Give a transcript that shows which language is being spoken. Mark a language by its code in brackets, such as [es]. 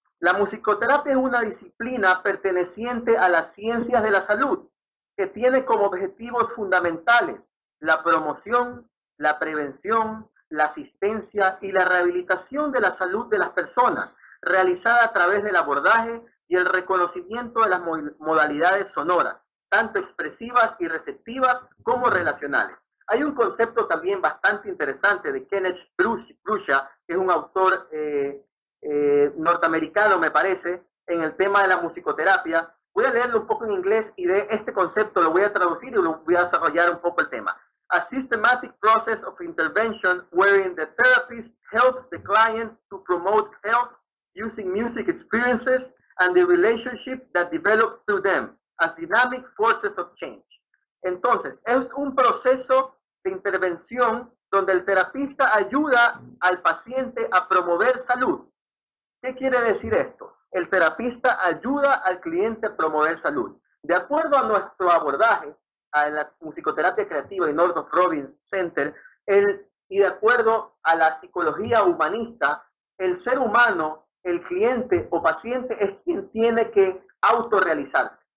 [es] La musicoterapia es una disciplina perteneciente a las ciencias de la salud, que tiene como objetivos fundamentales la promoción, la prevención, la asistencia y la rehabilitación de la salud de las personas, realizada a través del abordaje y el reconocimiento de las modalidades sonoras, tanto expresivas y receptivas como relacionales. Hay un concepto también bastante interesante de Kenneth Brusha, que es un autor norteamericano, me parece, en el tema de la musicoterapia. Voy a leerlo un poco en inglés y de este concepto lo voy a traducir y lo voy a desarrollar un poco el tema. [en] A systematic process of intervention wherein the therapist helps the client to promote health using music experiences and the relationship that develops through them as dynamic forces of change. [es] Entonces, es un proceso de intervención donde el terapista ayuda al paciente a promover salud. ¿Qué quiere decir esto? El terapista ayuda al cliente a promover salud. De acuerdo a nuestro abordaje en la musicoterapia creativa y Northrop Robbins Center, y de acuerdo a la psicología humanista, el ser humano, el cliente o paciente es quien tiene que autorrealizarse.